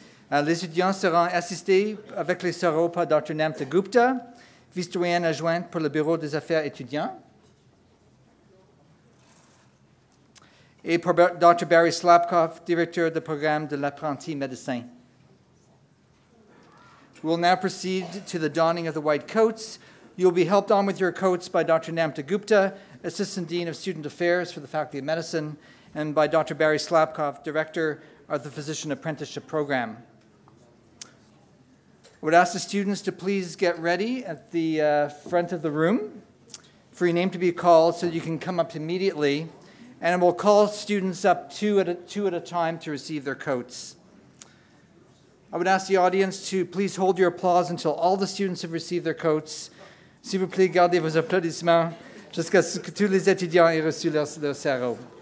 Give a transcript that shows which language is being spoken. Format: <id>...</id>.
<fr>Les étudiants seront assistés avec les sereaux par Dr. Namta Gupta, vice-doyenne adjointe pour le Bureau des affaires étudiants, et pour Dr. Barry Slapkoff, directeur du programme de l'apprenti médecin.</fr> <en>We will now proceed to the donning of the white coats. You'll be helped on with your coats by Dr. Namta Gupta, Assistant Dean of Student Affairs for the Faculty of Medicine, and by Dr. Barry Slapkoff, Director of the Physician Apprenticeship Program. I would ask the students to please get ready at the front of the room for your name to be called so you can come up immediately, and we'll call students up two at a time to receive their coats. I would ask the audience to please hold your applause until all the students have received their coats.</en> <fr>S'il vous plaît, gardez vos applaudissements jusqu'à ce que tous les étudiants aient reçu leur sereau.</fr>